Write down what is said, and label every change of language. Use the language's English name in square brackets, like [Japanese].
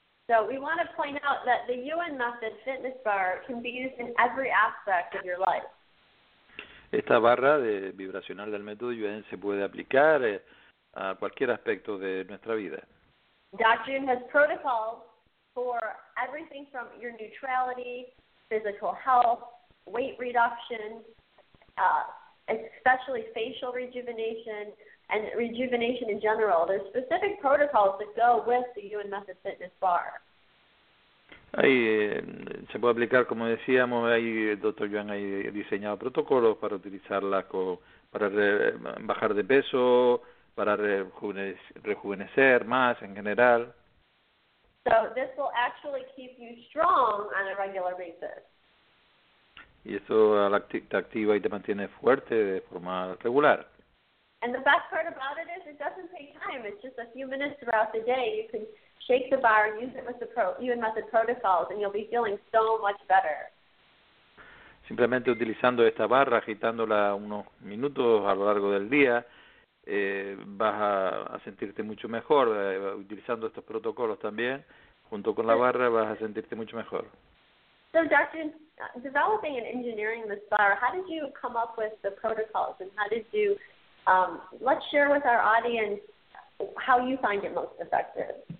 [English] So we want to point out that the UN Method Fitness Bar can be used in every aspect of your life. [Spanish] Esta barra de vibracional del método UN se puede aplicar a cualquier aspecto de nuestra vida. [English] Dr. Yuen has protocols for everything from your neutrality physical health, weight reduction, especially facial rejuvenation and rejuvenation in general. There's specific protocols that go with the UN Method Fitness Bar. [Spanish] Ahí se puede aplicar, como decíamos, ahí el doctor Yuan ha diseñado protocolos para utilizarla para bajar de peso, para rejuvenecer más en general. [English] So this will actually keep you strong on a regular basis. [Spanish] Y esto te activa y te mantiene fuerte de forma regular. [English] And the best part about it is it doesn't take time. It's just a few minutes throughout the day. You can shake the bar and use it with the UN Method protocols, and you'll be feeling so much better. [Spanish] Simplemente utilizando esta barra, agitándola unos minutos a lo largo del día, vas a sentirte mucho mejor. Utilizando estos protocolos también, junto con la barra, vas a sentirte mucho mejor. [English] So, Doctor, developing and engineering this bar, how did you come up with the protocols, and how did you... let's share with our audience how you find it most effective.